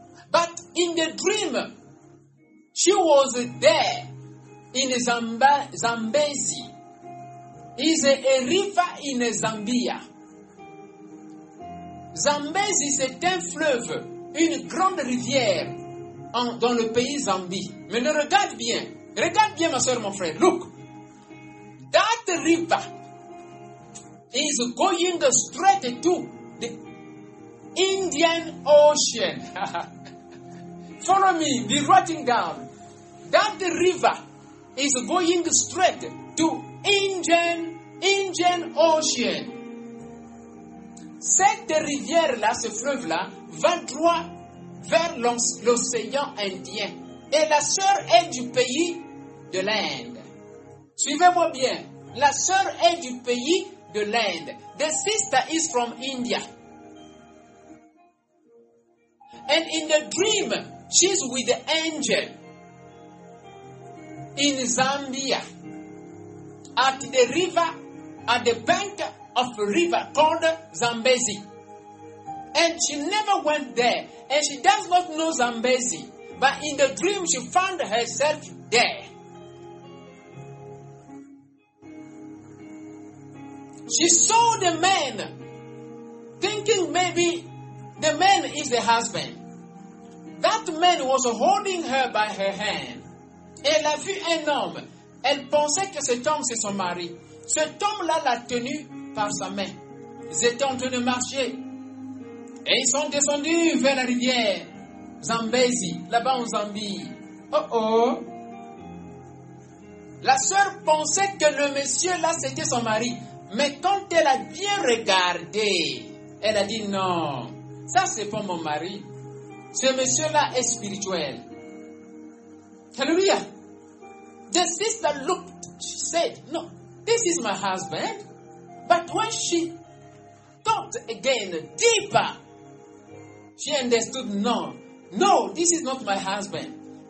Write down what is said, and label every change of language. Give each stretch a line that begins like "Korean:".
English: But in the dream, she was there in Zambezi. It's a river in Zambia.
French: Zambezi, c'est un fleuve, une grande rivière dans le pays Zambie. Mais ne regarde bien. Regarde bien, ma soeur, mon frère.
English: Look. That river is going straight to the Indian Ocean. Follow me. Be writing down. That river is going straight to Indian Ocean.
French: Cette rivière-là, ce fleuve-là, va droit vers l'océan Indien. Et la sœur est du pays de l'Inde. Suivez-moi bien. La sœur est du pays de l'Inde.
English: The sister is from India. And in the dream, she's with the angel. in Zambia at the river, at the bank of a river called Zambezi. And she never went there. And she does not know Zambezi. But in the dream, she found herself there. She saw the man, thinking maybe the man is the husband. That man was holding her by her hand.
French: Elle a vu un homme. Elle pensait que cet homme, c'est son mari. Cet homme-là l'a tenu par sa main. Ils étaient en train de marcher. Et ils sont descendus vers la rivière Zambezi, là-bas en Zambie. Oh oh! La sœur pensait que le monsieur-là, c'était son mari. Mais quand elle a bien regardé, elle a dit non, ça c'est pas mon mari. Ce monsieur-là est spirituel. Hallelujah!
English: The sister looked, she said, no, this is my husband. But when she thought again, deeper, she understood, no, no, this is not my husband.